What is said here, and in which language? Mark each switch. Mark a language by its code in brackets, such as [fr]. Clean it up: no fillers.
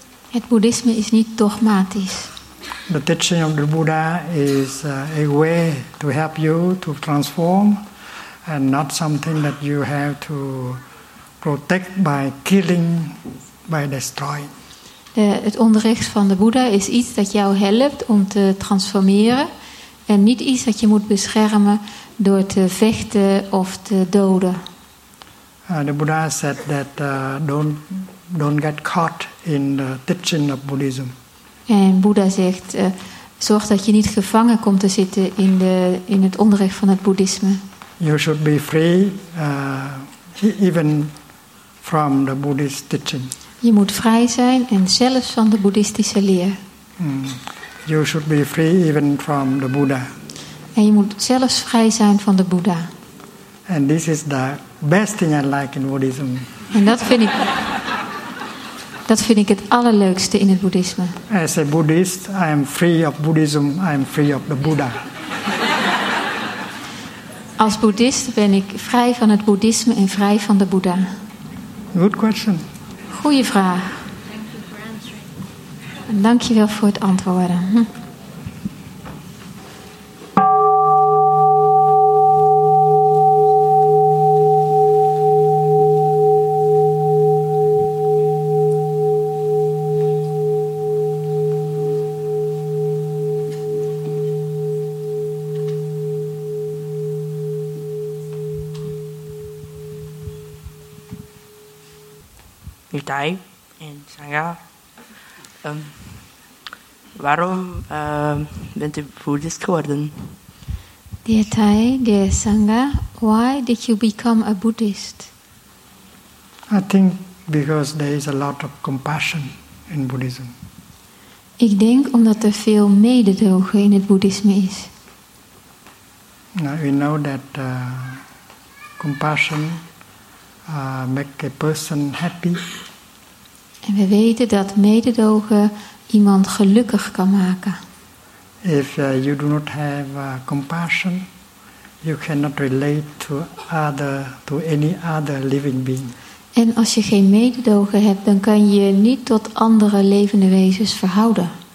[nl] Het boeddhisme is niet dogmatisch. [en] The teaching of the Buddha is a way to help you to transform, and not something that you have to protect by killing, by destroying. [nl] Het onderricht van de Boeddha is iets dat jou helpt om te transformeren, en niet iets dat je moet beschermen door te vechten of te doden. [en] The Buddha said that don't get caught in the teaching of Buddhism. [nl] En Boeddha zegt, zorg dat je niet gevangen komt te zitten in het onderricht van het boeddhisme. [en] You should be free even from the Buddhist teaching. [nl] Je moet vrij zijn en zelfs van de boeddhistische leer. [en] You should be free even from the Buddha. [nl] En je moet zelfs vrij zijn van de Boeddha. [en] And this is the best thing I like in Buddhism. [nl] En dat vind ik het allerleukste in het boeddhisme. [en] As a Buddhist, I am free of Buddhism. I am free of the Buddha. [nl] Als boeddhist ben ik vrij van het boeddhisme en vrij van de Boeddha. [en] Good question. [nl] Goeie vraag. Dank je wel voor het antwoorden. Itai en Sangha, waarom bent u boeddhist geworden? [en] Dear Thai, dear Sangha, why did you become a Buddhist? I think because there is a lot of compassion in Buddhism. [nl] Ik denk omdat er veel mededogen in het boeddhisme is. [en] Now we know that compassion make a person happy. [nl] En we weten dat mededogen iemand gelukkig kan maken. [en] If you do not have compassion, you cannot relate to any other living being. [nl] En als je geen mededogen hebt, dan kan je niet tot andere levende wezens verhouden.